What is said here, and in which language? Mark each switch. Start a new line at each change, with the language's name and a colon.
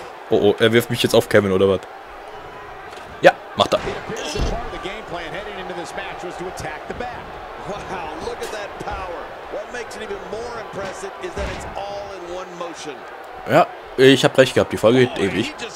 German: Oh, oh, er wirft mich jetzt auf Kevin, oder was? Ja, macht er.
English: The game plan heading into this match was to attack the back. Wow, look at that power. What makes it even more impressive is that it's all in one motion.
German: Ja, ich hab recht gehabt, die Folge geht ewig.